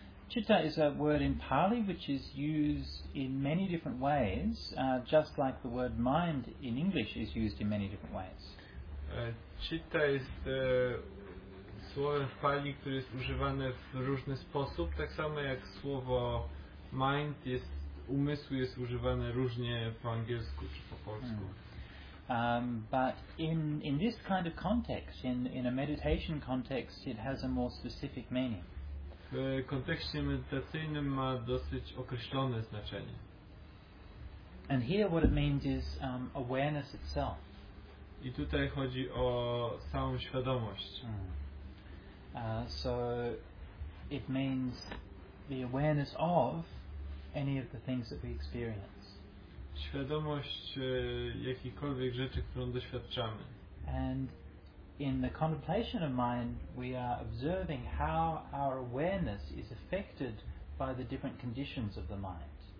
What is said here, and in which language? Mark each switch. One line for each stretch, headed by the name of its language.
English: Citta is a word in Pali which is used in many different ways, just like the word mind in English is used in many different ways.
Polish: Citta jest słowem w Pali, które jest używane w różny sposób, tak samo jak słowo mind jest, umysł jest używane różnie po angielsku czy po polsku.
English: But in this kind of context, in a meditation context, it has a more specific meaning.
Polish: W kontekście medytacyjnym ma dosyć określone znaczenie.
English: And here what it means is awareness itself.
Polish: I tutaj chodzi o samą świadomość.
English: So it means the awareness of any of the things that we experience.
Polish: Świadomość jakiejkolwiek rzeczy, którą doświadczamy.
English: And in the contemplation of mind, we are observing how our awareness is affected by the different conditions of the mind.